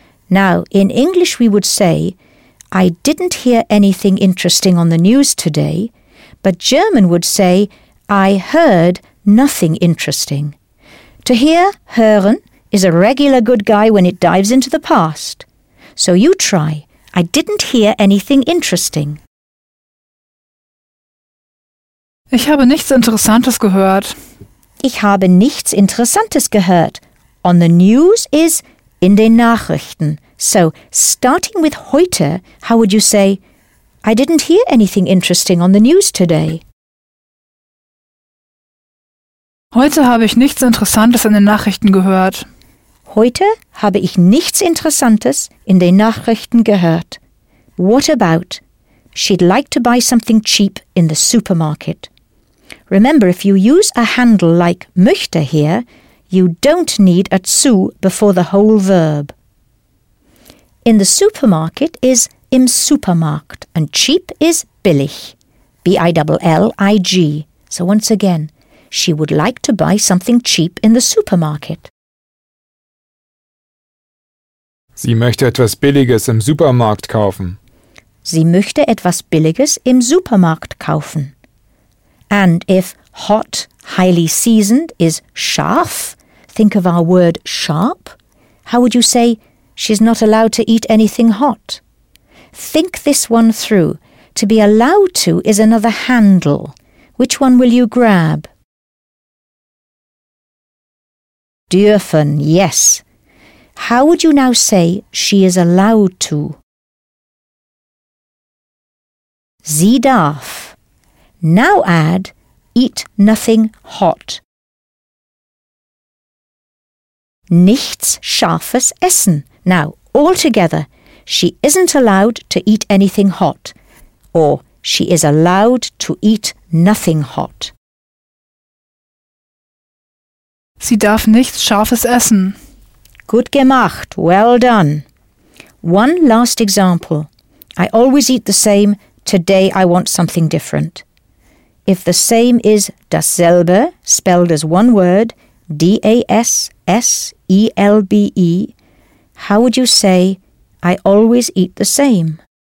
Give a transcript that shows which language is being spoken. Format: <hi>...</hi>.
<en>Now, in English we would say, I didn't hear anything interesting on the news today, but German would say, I heard nothing interesting. To hear, hören, is a regular good guy when it dives into the past. So you try. I didn't hear anything interesting.</en> <de>Ich habe nichts Interessantes gehört. Ich habe nichts Interessantes gehört.</de> <en>On the news is</en> <de>in den Nachrichten.</de> <en>So, starting with heute, how would you say, I didn't hear anything interesting on the news today?</en> <de>Heute habe ich nichts Interessantes in den Nachrichten gehört. Heute habe ich nichts Interessantes in den Nachrichten gehört.</de> <en>What about? She'd like to buy something cheap in the supermarket. Remember, if you use a handle like möchte here, you don't need a zu before the whole verb. In the supermarket is</en> <de>im Supermarkt,</de> <en>and cheap is billig, B-I-L-L-I-G. So once again, she would like to buy something cheap in the supermarket.</en> <de>Sie möchte etwas Billiges im Supermarkt kaufen. Sie möchte etwas Billiges im Supermarkt kaufen.</de> <en>And if hot, highly seasoned, is scharf, think of our word sharp, how would you say she's not allowed to eat anything hot? Think this one through. To be allowed to is another handle. Which one will you grab? Dürfen, yes. How would you now say she is allowed to?</en> <de>Sie darf.</de> <en>Now add, eat nothing hot.</en> <de>Nichts scharfes essen.</de> <en>Now, all together, she isn't allowed to eat anything hot. Or, she is allowed to eat nothing hot.</en> <de>Sie darf nichts scharfes essen. Gut gemacht,</de> <en>well done. One last example. I always eat the same, today I want something different. If the same is dasselbe, spelled as one word, D-A-S-S-E-L-B-E, how would you say, I always eat the same?</en>